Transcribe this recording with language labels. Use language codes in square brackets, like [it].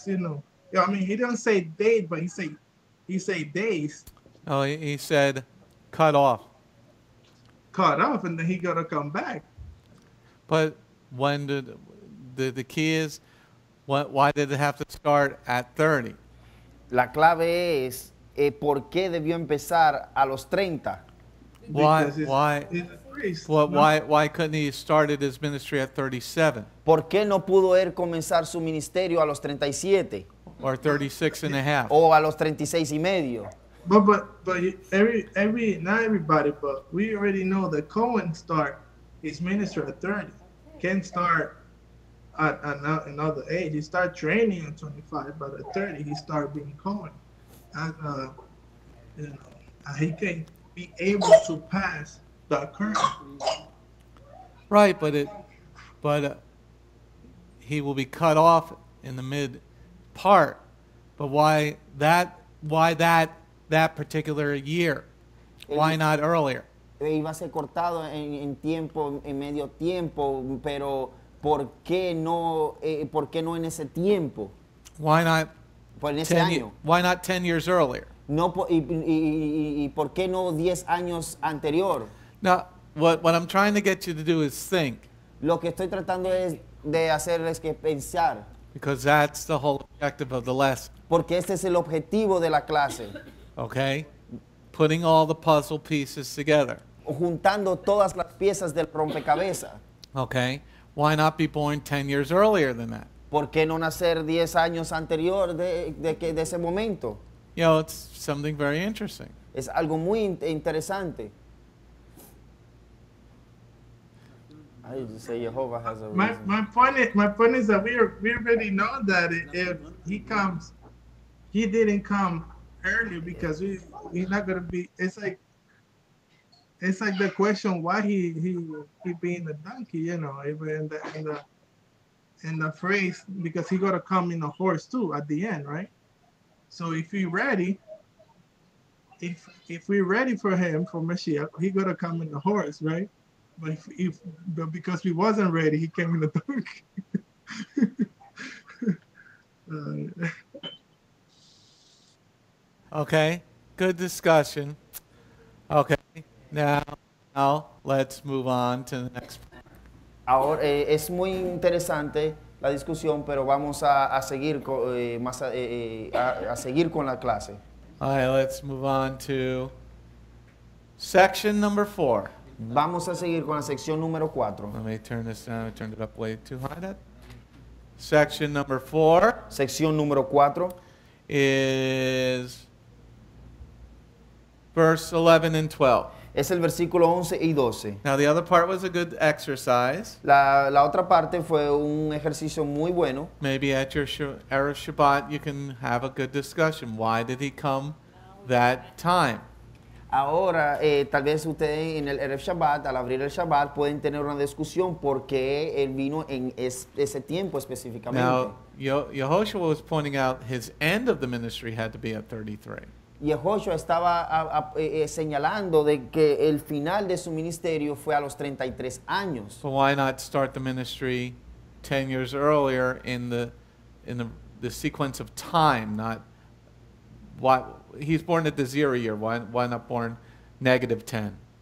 [en] You know, I mean, he didn't say date, but he say days. Oh, he said cut off. Caught off, and then he gotta come back. But when the key is, why did it have to start at 30? [es] La clave es por qué debió empezar a los 30. [en] Why couldn't he start his ministry at 37? [es] Por qué no pudo él comenzar su ministerio a los 37? [en] Or 36.5. [es] O a los 36.5. [en] But every not everybody, but we already know that Cohen start his ministry at 30, can't start at another age. He start training at 25, but at 30 he start being Cohen, and you know, he can't be able to pass the curtain. Right, but he will be cut off in the mid part. But why that? Why that? That particular year, why not earlier? [es] Iba a ser cortado en tiempo, en medio tiempo, pero ¿por qué no en ese tiempo? [en] Why not? [es] Pues en ese año. [en] Why not 10 years earlier? [es] No, y ¿por qué no 10 años anterior? [en] Now, what I'm trying to get you to do is think. [es] Lo que estoy tratando es de hacerles que pensar. [en] Because that's the whole objective of the lesson. [es] Porque este es el objetivo de la clase. [en] Okay, putting all the puzzle pieces together. [es] Juntando todas las piezas del rompecabezas. [en] Okay, why not be born 10 years earlier than that? [es] ¿Por qué no nacer 10 años anterior de ese momento? [en] You know, it's something very interesting. [es] Es algo muy interesante. [en] I just say Yehovah has a reason. My point is that we already know that if he comes, he didn't come earlier because he's not gonna be. It's like the question why he being a donkey, you know, even in the phrase, because he gotta come in a horse too at the end, right? So if you're ready, if we're ready for him, for Mashiach, he gotta come in a horse, right? But but because we wasn't ready, he came in a donkey. Okay, good discussion. Okay, now let's move on to the next part. [es] Ahora es muy interesante la discusión, pero vamos a seguir con más a seguir con la clase. [en] All right, let's move on to section number 4. [es] Vamos a seguir con la sección número 4. [en] Let me turn this down. I turned it up way too high. That section number 4. [es] Sección número 4 [en] is verse 11 and 12. [es] Es el versículo 11 y 12. [en] Now the other part was a good exercise. [es] La otra parte fue un ejercicio muy bueno. [en] Maybe at your Erev Shabbat you can have a good discussion. Why did he come that time? [es] Ahora, tal vez ustedes en el Erev Shabbat, al abrir el Shabbat, pueden tener una discusión por qué él vino en ese tiempo específicamente. [en] Now, Yehoshua was pointing out his end of the ministry had to be at 33. [es] Yehoshua estaba señalando de que el final de su ministerio fue a los 33 años. [en] So why not start the ministry 10 years earlier in the sequence of time, not what he's born at the 0 year, why not born negative 10?